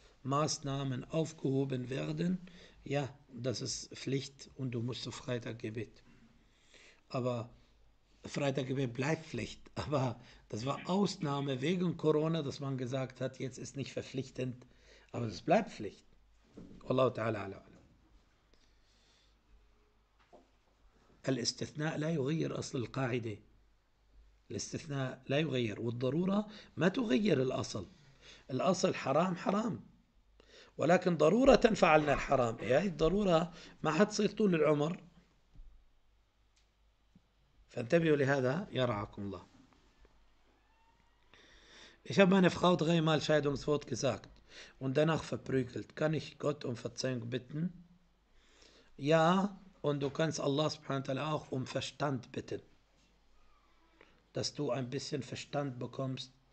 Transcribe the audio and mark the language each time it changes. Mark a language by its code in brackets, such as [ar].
[de] Maßnahmen aufgehoben werden, ja, das ist Pflicht und du musst zum Freitaggebet. Aber Freitaggebet bleibt Pflicht. Aber das war Ausnahme wegen Corona, dass man gesagt hat, jetzt ist nicht verpflichtend, aber es bleibt Pflicht. [ar] Wallahu ta'ala ala. الاستثناء لا يغير أصل القاعدة. الاستثناء لا يغير، والضرورة ما تغير الأصل. الأصل حرام حرام، ولكن ضرورة فعلنا الحرام. هي الضرورة ما حتصير طول العمر، فانتبهوا لهذا يرعاكم الله. [de] Ich habe meine Frau dreimal Scheidungswort gesagt und danach verprügelt. Kann ich Gott um Verzeihung bitten? Ja. Und du kannst Allah subhanahu wa ta'ala auch um Verstand bitten, dass du ein bisschen Verstand bekommst.